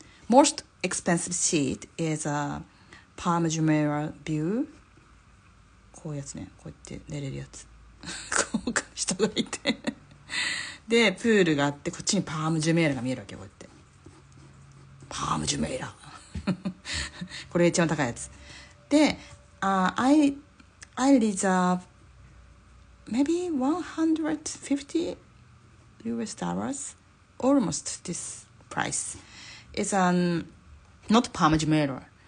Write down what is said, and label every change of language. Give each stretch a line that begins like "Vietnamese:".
English: Most expensive seat is a Palm Jumeirah view.
Japanese: こういうやつね。こうやって寝れるやつ。こうか、人がいて。で、プールがあって、こっちにパームジュメイラが見えるわけよ、こうやって。パームジュメイラ。これ一番高いやつ。で、
English: I reserve maybe $150 US dollars almost this price. It's not Parmigiano.